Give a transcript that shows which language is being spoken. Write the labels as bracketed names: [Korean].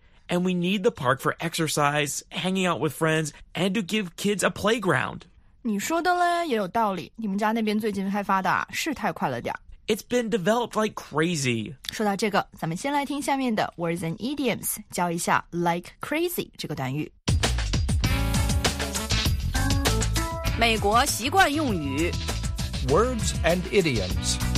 [English] And we need the park for exercise, hanging out with friends, and to give kids a playground. [Chinese] 你说的嘞也有道理，你们家那边最近开发的是太快了点。 [English] It's been developed like crazy. [Chinese] 说到这个，咱们先来听下面的 words and idioms, 教一下 like crazy 这个短语。美国习惯用语 [English] Words and idioms.